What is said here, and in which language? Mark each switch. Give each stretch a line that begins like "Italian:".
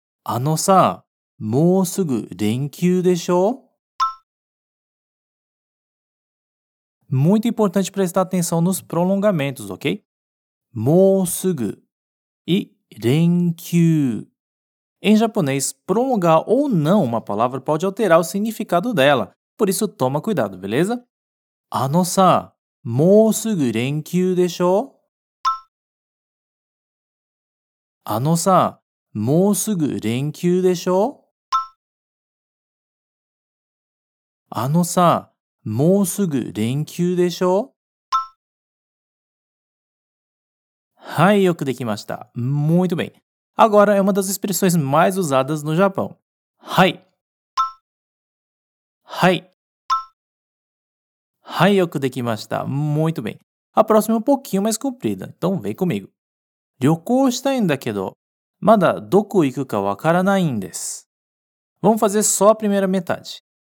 Japanese: Ano-san,もうすぐ連休でしょう?
Portuguese: Muito importante prestar atenção nos prolongamentos, ok?
Japanese: もうすぐ e 連休.
Portuguese: Em japonês, prolongar ou não uma palavra pode alterar o significado dela. Por isso, toma cuidado, beleza?
Japanese: あのさ、もうすぐ連休でしょう? あのさ、もうすぐ連休でしょう? あのさ、もうすぐ連休でしょ? はい、よくできました。
Portuguese: Muito bem. Agora é uma das expressões mais usadas no Japão.
Japanese: はい。はい。はい、よくできました。
Portuguese: Muito bem. A próxima é um pouquinho mais comprida. Então vem comigo.
Japanese: 旅行したいんだけど、まだどこ行くかわからないんです。
Portuguese: Vamos fazer só a primeira metade.